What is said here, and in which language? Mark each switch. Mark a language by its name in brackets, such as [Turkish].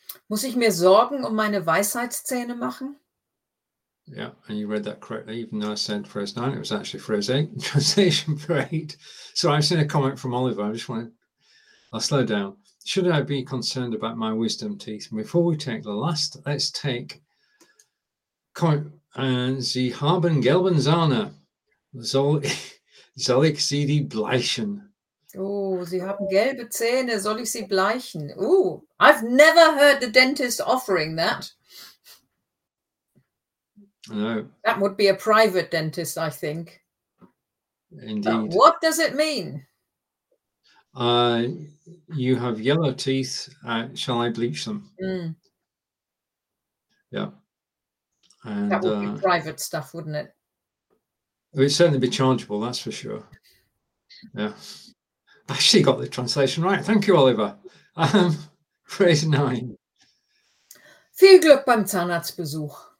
[German] Muss ich mir Sorgen um meine Weisheitszähne machen? [English] Yeah, and you read that correctly, even though I said phrase 9, it was actually phrase 8, translation for 8. So I've seen a comment from Oliver, I'll slow down. Should I be concerned about my wisdom teeth? Before we take the last, let's take [German] Sie haben gelben Zähne. Soll ich sie die bleichen? Oh, Sie haben gelbe Zähne. Soll ich sie bleichen? [English] Oh, I've never heard the dentist offering that. No. That would be a private dentist, I think. Indeed. But what does it mean? You have yellow teeth. Shall I bleach them? Yeah. And, that would be private stuff, wouldn't it? It would certainly be chargeable, that's for sure. Yeah. I actually got the translation right. Thank you, Oliver. Phrase 9. [German] Viel Glück beim Zahnarztbesuch.